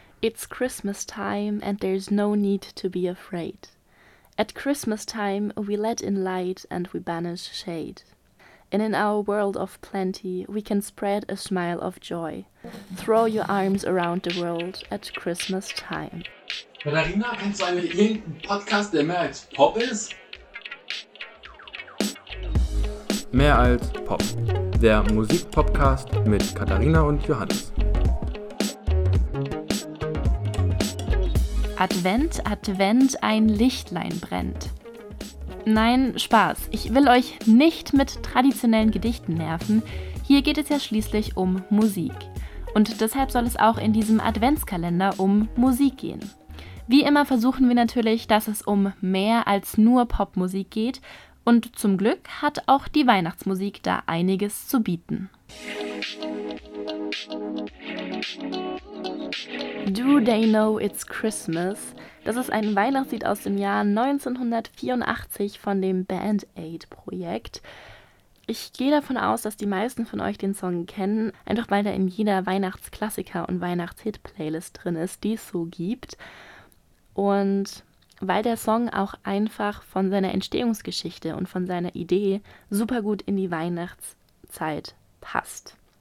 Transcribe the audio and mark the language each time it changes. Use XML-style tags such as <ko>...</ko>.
<en>It's Christmas time and there's no need to be afraid. At Christmas time we let in light and we banish shade. And in our world of plenty we can spread a smile of joy. Throw your arms around the world at Christmas time.</en> <de>Katharina, kennst du eigentlich irgendeinen Podcast, der mehr als Pop ist? Mehr als Pop. Der Musikpodcast mit Katharina und Johannes. Advent, Advent, ein Lichtlein brennt. Nein, Spaß. Ich will euch nicht mit traditionellen Gedichten nerven. Hier geht es ja schließlich um Musik. Und deshalb soll es auch in diesem Adventskalender um Musik gehen. Wie immer versuchen wir natürlich, dass es um mehr als nur Popmusik geht. Und zum Glück hat auch die Weihnachtsmusik da einiges zu bieten.</de> <en>Do They Know It's Christmas?</en> <de>Das ist ein Weihnachtslied aus dem Jahr 1984 von dem Band Aid Projekt. Ich gehe davon aus, dass die meisten von euch den Song kennen, einfach weil er in jeder Weihnachtsklassiker- und Weihnachtshit-Playlist drin ist, die es so gibt. Und weil der Song auch einfach von seiner Entstehungsgeschichte und von seiner Idee super gut in die Weihnachtszeit passt.</de>